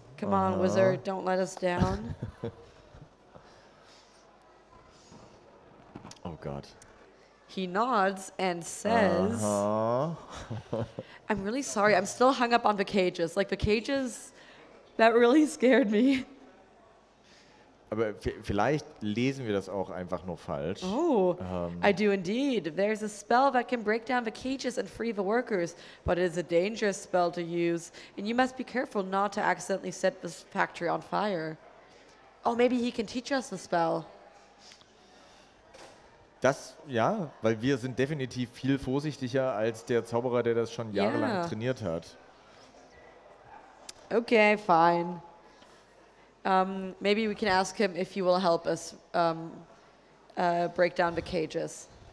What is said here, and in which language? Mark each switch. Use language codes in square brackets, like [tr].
[en] Come on, wizard, don't let us down. Oh God. He nods and says, I'm really sorry, I'm still hung up on the cages. Like, the cages, that really scared me. [de] Aber vielleicht lesen wir das auch einfach nur falsch. [en] Oh, I do indeed. There's a spell that can break down the cages and free the workers, but it is a dangerous spell to use, and you must be careful not to accidentally set this factory on fire. Oh, maybe he can teach us the spell. [de] Das, ja, weil wir sind definitiv viel vorsichtiger als der Zauberer, der das schon jahrelang trainiert hat. [en] Okay, fine. Maybe we can ask him if he will help us break down the cages.